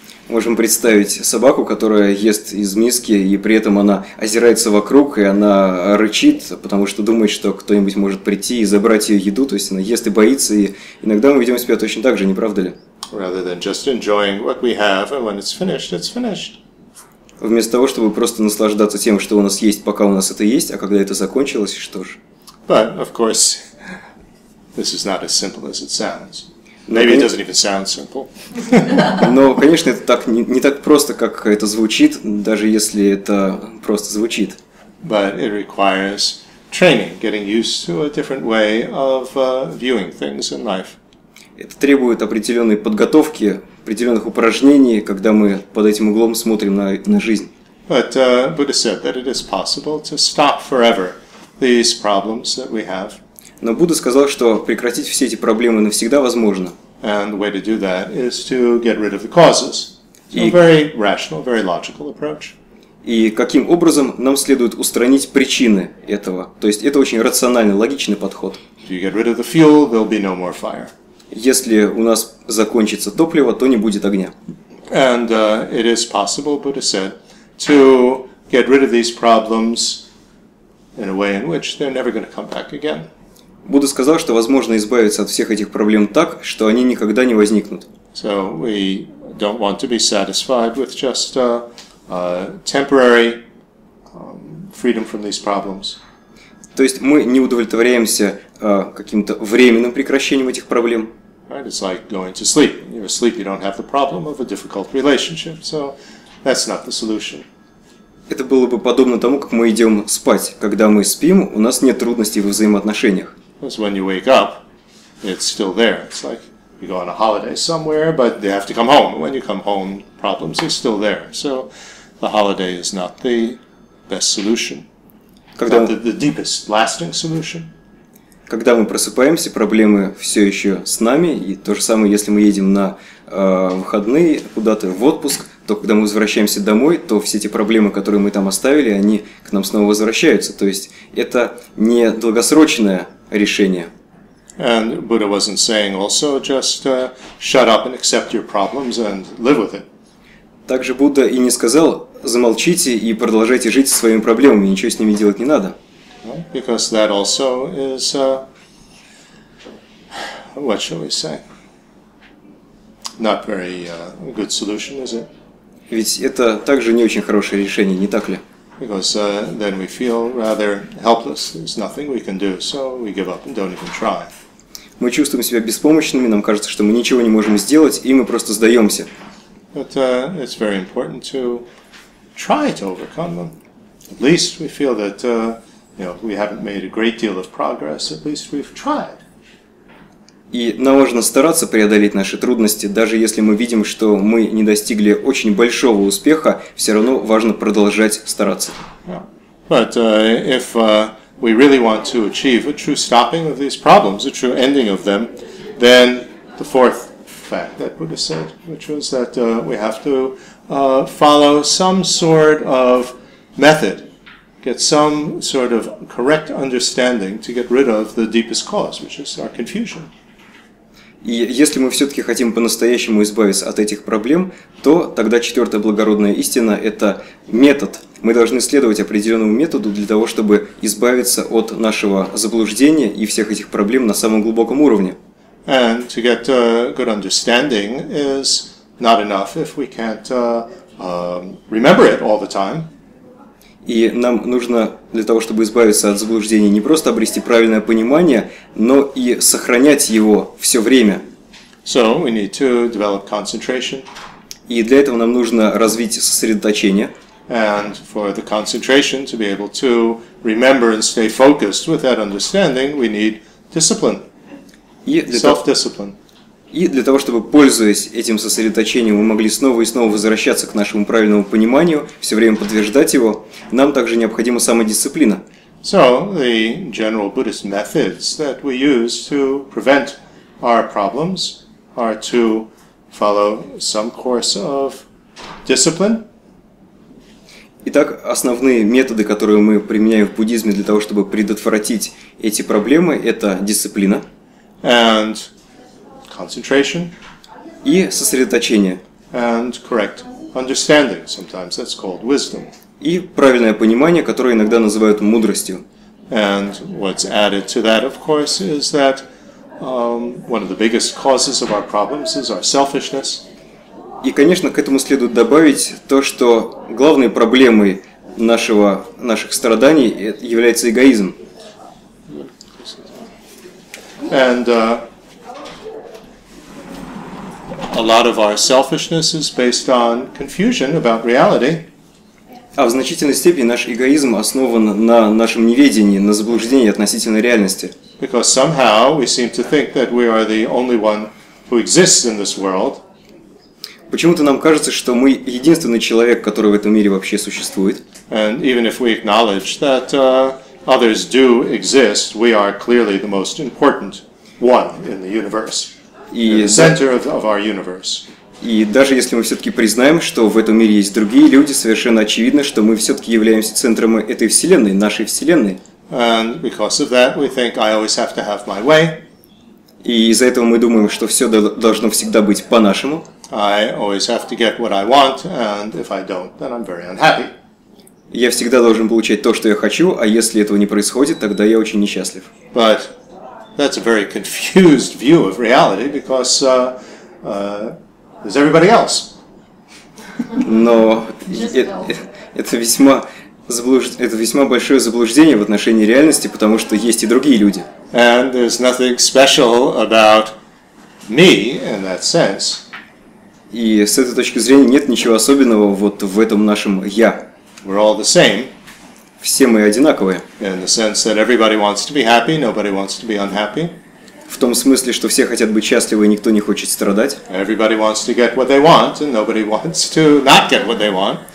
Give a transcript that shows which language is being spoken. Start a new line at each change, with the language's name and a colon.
Russian: Можем представить собаку, которая ест из миски, и при этом она озирается вокруг, и она рычит, потому что думает, что кто-нибудь может прийти и забрать ее еду, то есть она ест и боится, и иногда мы ведем себя точно так же, не правда ли?
English: Rather than just enjoying what we have, and when it's finished, it's finished.
Russian: Вместо того, чтобы просто наслаждаться тем, что у нас есть, пока у нас это есть, а когда это закончилось, что ж?
English: But, of course, this is not as simple as it sounds. Maybe it doesn't even sound simple.
Russian: Но, конечно, это так не так просто, как это звучит, даже если это просто звучит.
English: But it requires training, getting used to a different way of viewing things in life.
Russian: Это требует определенной подготовки, определенных упражнений, когда мы под этим углом смотрим на жизнь.
English: But Buddha said that it is possible to stop forever these problems that we have.
Russian: Но Будда сказал, что прекратить все эти проблемы навсегда возможно.
English: And the way to do that is to get rid of the causes. So a very rational, very logical approach.
Russian: И каким образом нам следует устранить причины этого? То есть это очень рациональный, логичный подход.
English: If you get rid of the fuel, there'll be no more fire.
Russian: Если у нас закончится топливо, то не будет огня.
English: And it is possible, Buddha said, to get rid of these problems in a way in which they're never going to come back again.
Russian: Будда сказал, что возможно избавиться от всех этих проблем так, что они никогда не возникнут.
English: So we don't want to be satisfied with just temporary freedom from these problems.
Russian: То есть мы не удовлетворяемся каким-то временным прекращением этих проблем.
English: Right, it's like going to sleep. When you're asleep, you don't have the problem of a difficult relationship. So that's not the solution.
Russian: Это было бы подобно тому, как мы идем спать. Когда мы спим, у нас нет трудностей во взаимоотношениях.
English: Because when you wake up, it's still there. It's like you go on a holiday somewhere, but they have to come home. When you come home, problems are still there. So the holiday is not the best solution.
Russian: Когда
English: not the deepest, lasting solution.
Russian: Когда мы просыпаемся, проблемы все еще с нами. И то же самое, если мы едем на выходные куда-то в отпуск, то когда мы возвращаемся домой, то все эти проблемы, которые мы там оставили, они к нам снова возвращаются. То есть это не долгосрочное решение.
English: And Buddha wasn't saying also just shut up and accept your problems and live with it.
Russian: Также Будда и не сказал, замолчите и продолжайте жить со своими проблемами, ничего с ними делать не надо.
English: Because that also is, what shall we say, not very good solution, is it?
Russian: Ведь это также не очень хорошее решение, не так ли?
English: Because then we feel rather helpless, there's nothing we can do, so we give up and don't even try.
Russian: Мы чувствуем себя беспомощными, нам кажется, что мы ничего не можем сделать, и мы просто сдаемся.
English: But it's very important to try to overcome them. At least we feel that... You know, we haven't made a great deal of progress, at least we've tried.
Russian: И нам нужно стараться преодолеть наши трудности, даже если мы видим, что мы не достигли очень большого успеха, все равно важно продолжать стараться.
English: But if we really want to achieve a true stopping of these problems, a true ending of them, then the fourth fact that Buddha said, which was that we have to follow some sort of method, get some sort of correct understanding to get rid of the deepest cause, which is our confusion.
Russian: И если мы все-таки хотим по-настоящему избавиться от этих проблем, то тогда четвертая благородная истина – это метод. Мы должны следовать определенному методу для того, чтобы избавиться от нашего заблуждения и всех этих проблем на самом глубоком уровне.
English: And to get a good understanding is not enough if we can't remember it all the time.
Russian: И нам нужно для того, чтобы избавиться от заблуждений, не просто обрести правильное понимание, но и сохранять его все время.
English: So we need to develop concentration.
Russian: И для этого нам нужно развить сосредоточение.
English: And for the concentration to be able to remember and stay focused with that understanding, we need discipline. Self-discipline.
Russian: И для того, чтобы, пользуясь этим сосредоточением, мы могли снова и снова возвращаться к нашему правильному пониманию, все время подтверждать его, нам также необходима самодисциплина.
English: So, the general Buddhist methods that we use to prevent our problems are to follow some course of discipline.
Russian: Итак, основные методы, которые мы применяем в буддизме для того, чтобы предотвратить эти проблемы, это дисциплина.
English: And concentration.
Russian: И сосредоточение.
English: and correct understanding. Sometimes that's called wisdom.
Russian: И правильное понимание, которое иногда называют мудростью.
English: And what's added to that, of course, is that one of the biggest causes of our problems is our selfishness.
Russian: И, конечно, к этому следует добавить то, что главной проблемой наших страданий является эгоизм.
English: And a lot of our selfishness is based on confusion about reality.
Russian: А в значительной степени наш эгоизм основан на нашем неведении, на заблуждении относительно реальности.
English: Because somehow we seem to think that we are the only one who exists in this world.
Russian: Почему-то нам кажется, что мы единственный человек, который в этом мире вообще существует.
English: And even if we acknowledge that others do exist, we are clearly the most important one in the universe. In the center of our universe.
Russian: И даже если мы все-таки признаем, что в этом мире есть другие люди, совершенно очевидно, что мы все-таки являемся центром этой вселенной, нашей вселенной.
English: And because of that, we think I always have to have my way.
Russian: И из-за этого мы думаем, что все должно всегда быть по-нашему.
English: I always have to get what I want, and if I don't, then I'm very unhappy.
Russian: Я всегда должен получать то, что я хочу, а если этого не происходит, тогда я очень несчастлив.
English: But that's a very confused view of reality, because there's everybody else.
Russian: Но это весьма большое заблуждение в отношении реальности, потому что есть и другие люди.
English: And there's nothing special about me in that sense.
Russian: И с этой точки зрения нет ничего особенного вот в этом нашем «я».
English: We're all the same.
Russian: Все мы одинаковые.
English: In the sense that everybody wants to be happy, nobody wants to be unhappy.
Russian: В том смысле, что все хотят быть счастливы, и никто не хочет страдать.
English: Everybody wants to get what they want, and nobody wants to not get what they want.